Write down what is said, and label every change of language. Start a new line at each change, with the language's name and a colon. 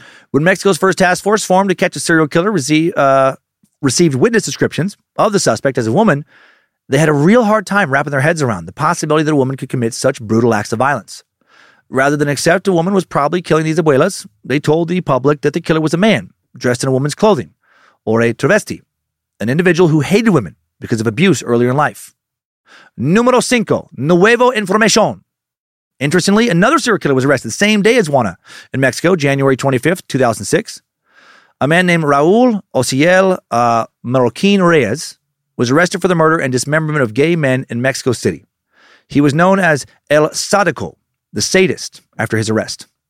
English: When Mexico's first task force formed to catch a serial killer received witness descriptions of the suspect as a woman, they had a real hard time wrapping their heads around the possibility that a woman could commit such brutal acts of violence. Rather than accept a woman was probably killing these abuelas, they told the public that the killer was a man dressed in a woman's clothing, or a travesti, an individual who hated women because of abuse earlier in life.
Spanish: Número cinco, nuevo información.
English: Interestingly, another serial killer was arrested the same day as Juana in Mexico, January 25th, 2006. A man named Raúl Ociel Marroquín Reyes was arrested for the murder and dismemberment of gay men in Mexico City. He was known as El Sadico, the sadist, after his arrest.